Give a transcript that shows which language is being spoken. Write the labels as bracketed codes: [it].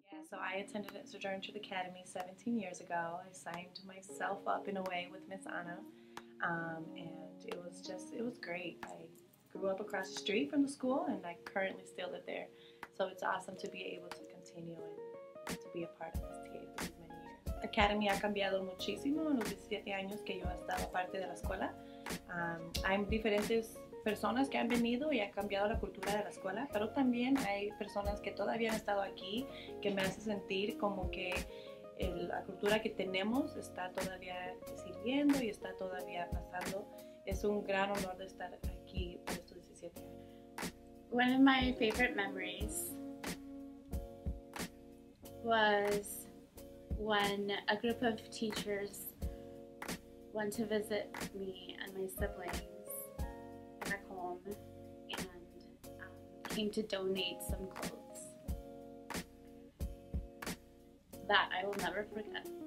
[en] So I attended at Sojourner Truth Academy 17 years ago. I signed myself up in a way with Miss Anna, and it was great. I grew up across the street from the school, and I currently still live there. So it's awesome to be able to continue and to be a part of this TA for these many years. [es] Academy ha cambiado muchísimo en los 17 años que yo he estado parte de la escuela. Hay diferentes personas que han venido y ha cambiado la cultura de la escuela, pero también hay personas que todavía han estado aquí que me hace sentir como que la cultura que tenemos está todavía sirviendo y está todavía pasando. Es un gran honor de estar aquí por estos 17 años. [en] One of my favorite memories was when a group of teachers went to visit me and my siblings and came to donate some clothes that I will never forget.